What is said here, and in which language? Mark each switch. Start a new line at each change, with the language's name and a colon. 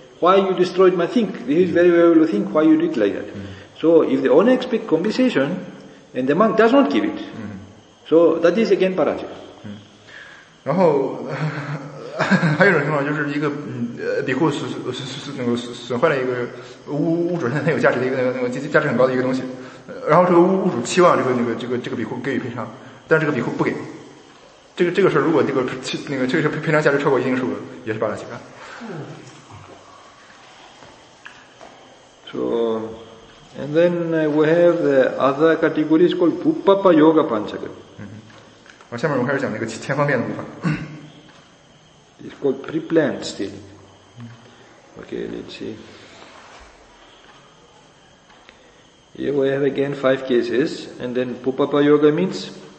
English: Why you destroyed my thing? This is very valuable thing. Why you did it like that? So if the owner expects compensation, and the monk does not give it, so that is again parajika.
Chinese: 然后还有一种情况，就是一个比库损坏了一个物主现在有价值的一个那个价值很高的一个东西，然后这个物主期望这个比库给予赔偿，但这个比库不给。这个事儿，如果这个那个确实赔偿价值超过一定数额，也是巴拉西卡。
English: So, and then we have the other categories called Puppappa Yoga Panchaka.
Chinese: 好，下面我开始讲那个前方便的部分。
English: It's called pre-planned still. Okay, let's see. Here we have again five cases, and then Puppappa Yoga means.